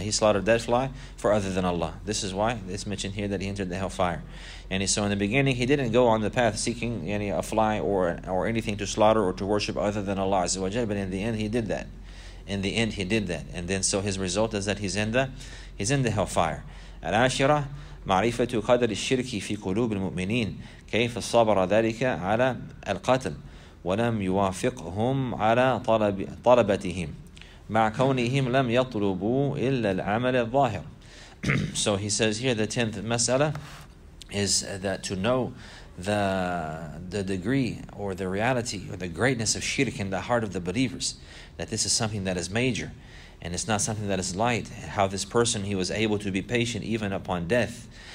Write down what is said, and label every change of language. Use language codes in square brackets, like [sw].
[en] He slaughtered that fly for other than Allah. This is why it's mentioned here that he entered the hellfire. And so in the beginning, he didn't go on the path seeking any a fly or anything to slaughter or to worship other than Allah Azza wa Jalla. But in the end, he did that. And then so his result is that he's in the hellfire. Al-Ashirah, [ar] معرفة قدر الشرك في قلوب المؤمنين كيف صبر ذلك على القتل ولم يوافقهم على طلبتهم مع كونهم لم يطلبوا إلا العمل الظاهر. [en] So he says here the 10th mas'ala is that to know the degree or the reality or the greatness of shirk in the heart of the believers, that this is something that is major and it's not something that is light, how this person, he was able to be patient even upon death,